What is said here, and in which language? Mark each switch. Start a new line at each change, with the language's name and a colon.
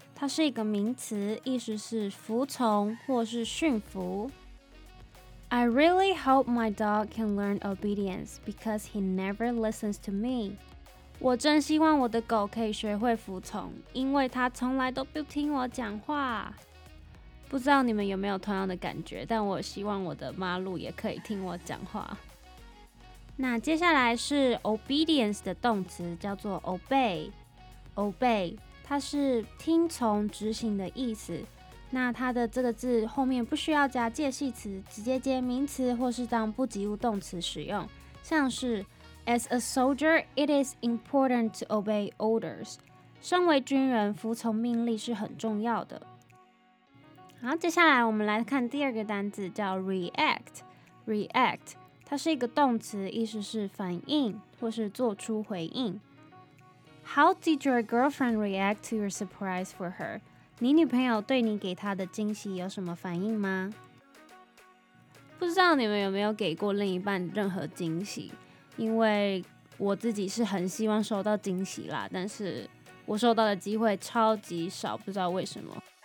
Chinese: 它是一个名词，意思是服从或是驯服。
English: I really hope my dog can learn obedience because he never listens to me.
Chinese: 我真希望我的狗可以学会服从，因为它从来都不听我讲话。不知道你们有没有同样的感觉，但我希望我的马路也可以听我讲话。那接下来是 obedience 的动词，叫做 obey。它是听从执行的意思，那它的这个字后面不需要加介系词，直接接名词或是当不及物动词使用，像是
English: As a soldier, it is important to obey orders.
Chinese: 身为军人，服从命令是很重要的。好，接下来我们来看第二个单字，叫 react。 react 它是一个动词，意思是反应或是做出回应。
English: How did your girlfriend react to your surprise for her?
Chinese: 你女朋友对你给她的惊喜有什么反应吗？不知道你们有没有给过另一半任何惊喜，因为我自己是很希望收到惊喜啦，但是我收到的机会超级少，不知道为什么。